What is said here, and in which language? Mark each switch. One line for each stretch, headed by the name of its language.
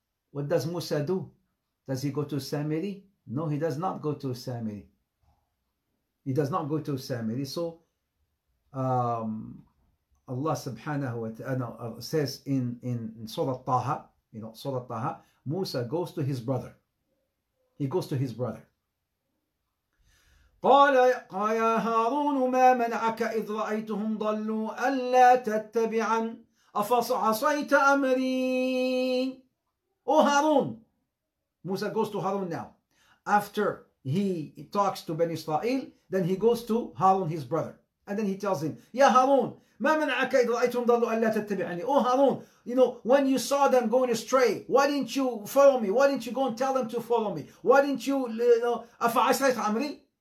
English: What does Musa do? Does he go to Samiri? No, he does not go to Samiri. He does not go to Samiri. So, Allah subhanahu wa ta'ala says in Surah Taha, you know, Surah Taha, Musa goes to his brother. He goes to his brother.
Arabic: قال يا هارون ما منعك إذ رأيتهم ضلوا ألا تتبعا أفصعصيت أمري.
English: Oh Harun, Musa goes to Harun now. After he talks to Ben Israel, then he goes to Harun, his brother. And then he tells him,
Arabic: يا هارون ما منعك إذ رأيتهم ضلوا ألا تتبعني.
English: Oh Harun, you know, when you saw them going astray, why didn't you follow me? Why didn't you go and tell them to follow me? Why didn't you, you know,
Arabic: أفصعصيت أمري?